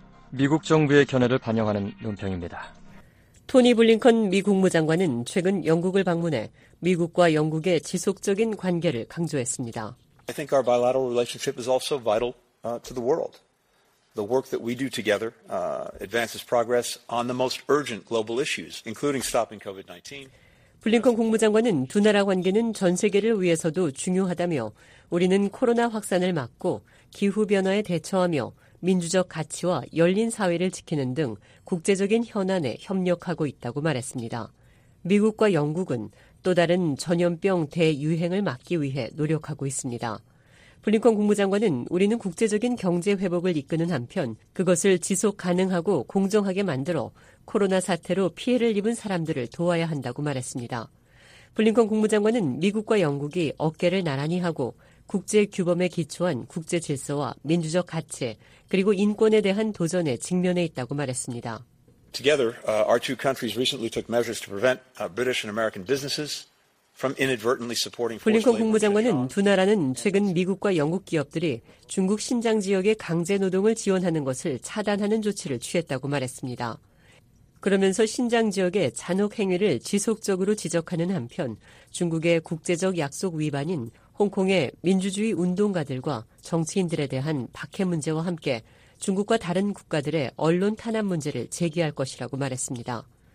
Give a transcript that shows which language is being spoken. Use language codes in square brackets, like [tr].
[ko] 미국 정부의 견해를 반영하는 논평입니다. 토니 블링컨 미 국무장관은 최근 영국을 방문해 미국과 영국의 지속적인 관계를 강조했습니다. [en] I think our bilateral relationship is also vital to the world. The work that we do together advances progress on the most urgent global issues, including stopping COVID-19. [ko] 블링컨 국무장관은 두 나라 관계는 전 세계를 위해서도 중요하다며 우리는 코로나 확산을 막고 기후변화에 대처하며 민주적 가치와 열린 사회를 지키는 등 국제적인 현안에 협력하고 있다고 말했습니다. 미국과 영국은 또 다른 전염병 대유행을 막기 위해 노력하고 있습니다. 블링컨 국무장관은 우리는 국제적인 경제 회복을 이끄는 한편 그것을 지속 가능하고 공정하게 만들어 코로나 사태로 피해를 입은 사람들을 도와야 한다고 말했습니다. 블링컨 국무장관은 미국과 영국이 어깨를 나란히 하고 국제 규범에 기초한 국제 질서와 민주적 가치 그리고 인권에 대한 도전에 직면해 있다고 말했습니다. [en] Together, our two countries recently took measures to prevent British and American businesses from inadvertently supporting. [ko] 블링컨 국무장관은 두 나라는 최근 미국과 영국 기업들이 중국 신장 지역에 강제 노동을 지원하는 것을 차단하는 조치를 취했다고 말했습니다. 그러면서 신장 지역의 잔혹 행위를 지속적으로 지적하는 한편 중국의 국제적 약속 위반인 홍콩의 민주주의 운동가들과 정치인들에 대한 박해 문제와 함께 중국과 다른 국가들의 언론 탄압 문제를 제기할 것이라고 말했습니다.